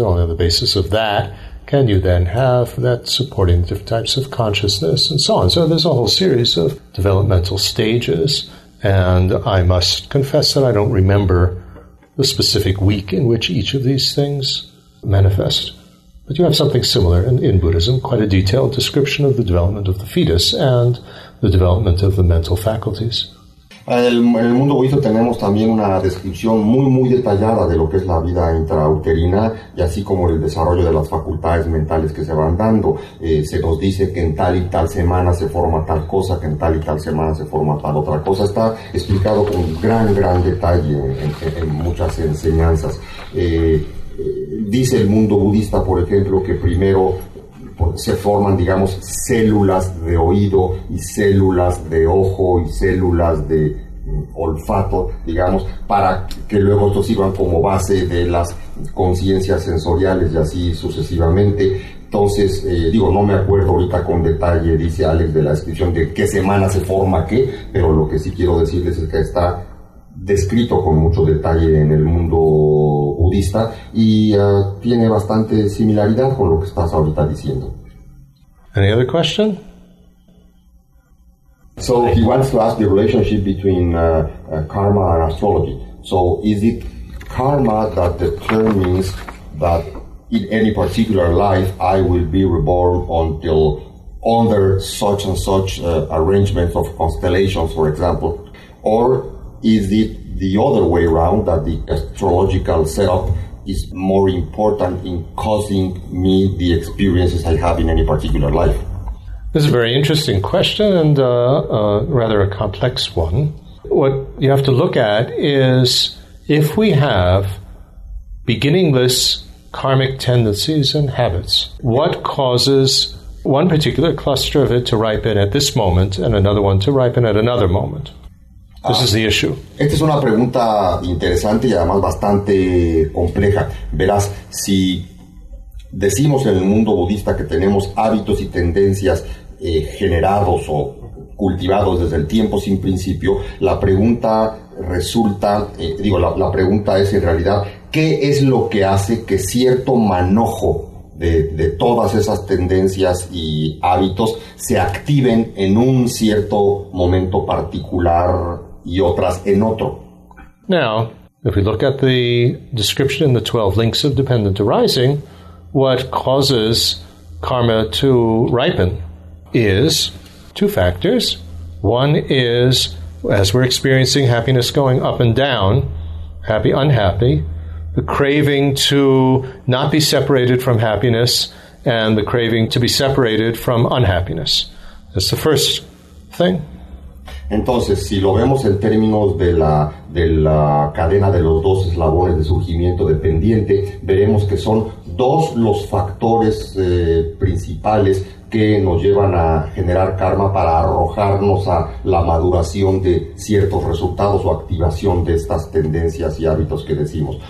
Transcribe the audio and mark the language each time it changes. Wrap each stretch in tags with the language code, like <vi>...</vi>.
<en>Only on the basis of that can you then have that supporting different types of consciousness and so on. So there's a whole series of developmental stages, and I must confess that I don't remember the specific week in which each of these things manifest. But you have something similar in Buddhism, quite a detailed description of the development of the fetus and the development of the mental faculties.</en> <es>En el mundo budista tenemos también una descripción muy, muy detallada de lo que es la vida intrauterina y así como el desarrollo de las facultades mentales que se van dando. Se nos dice que en tal y tal semana se forma tal cosa, que en tal y tal semana se forma tal otra cosa. Está explicado con gran, gran detalle en muchas enseñanzas. Dice el mundo budista, por ejemplo, que primero se forman, digamos, células de oído y células de ojo y células de olfato, digamos, para que luego estos sirvan como base de las conciencias sensoriales y así sucesivamente. Entonces, no me acuerdo ahorita con detalle, dice Alex, de la descripción de qué semana se forma qué, pero lo que sí quiero decirles es que está descrito con mucho detalle en el mundo budista y tiene bastante similaridad con lo que estás ahorita diciendo.</es> <en>Any other question? So he wants to ask the relationship between karma and astrology. So is it karma that determines that in any particular life I will be reborn until under such and such arrangement of constellations, for example, or is it the other way around, that the astrological setup is more important in causing me the experiences I have in any particular life? This is a very interesting question and rather a complex one. What you have to look at is if we have beginningless karmic tendencies and habits, what causes one particular cluster of it to ripen at this moment and another one to ripen at another moment? This is the issue.</en> <es>Esta es una pregunta interesante y además bastante compleja. Verás, si decimos en el mundo budista que tenemos hábitos y tendencias generados o cultivados desde el tiempo sin principio, la pregunta resulta, la pregunta es en realidad, ¿qué es lo que hace que cierto manojo de todas esas tendencias y hábitos se activen en un cierto momento particular y otras en otro?</es> <en>Now, if we look at the description in the 12 links of dependent arising, what causes karma to ripen is two factors. One is, as we're experiencing happiness going up and down, happy, unhappy, the craving to not be separated from happiness and the craving to be separated from unhappiness. That's the first thing.</en> <es>Entonces, si lo vemos en términos de la cadena de los dos eslabones de surgimiento dependiente, veremos que son dos los factores principales que nos llevan a generar karma para arrojarnos a la maduración de ciertos resultados o activación de estas tendencias y hábitos que decimos.</es>